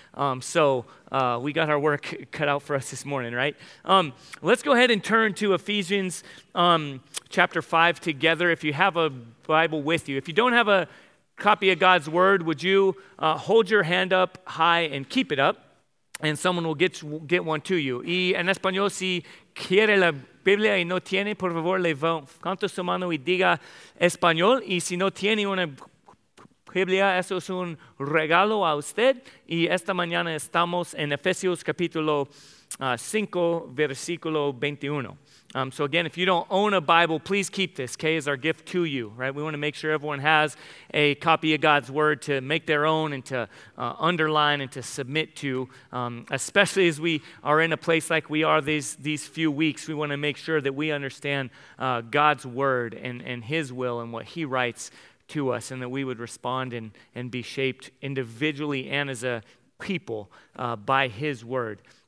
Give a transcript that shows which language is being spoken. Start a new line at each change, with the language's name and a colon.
English: We got our work cut out for us this morning, right? Let's go ahead and turn to Ephesians chapter 5 together if you have a Bible with you. If you don't have a copy of God's word, would you hold your hand up high and keep it up? And someone will get one to you.
Spanish: Y en español, si quiere la Biblia y no tiene, por favor, levante su mano y diga español. Y si no tiene una Biblia, eso es un regalo a usted. Y esta mañana estamos en Ephesians capítulo 5, versículo 21.
English: So again, if you don't own a Bible, please keep this, okay, as our gift to you, right? We want to make sure everyone has a copy of God's word to make their own and to underline and to submit to, especially as we are in a place like we are these few weeks. We want to make sure that we understand God's word and his will and what he writes to us, and that we would respond and be shaped individually and as a people by his word.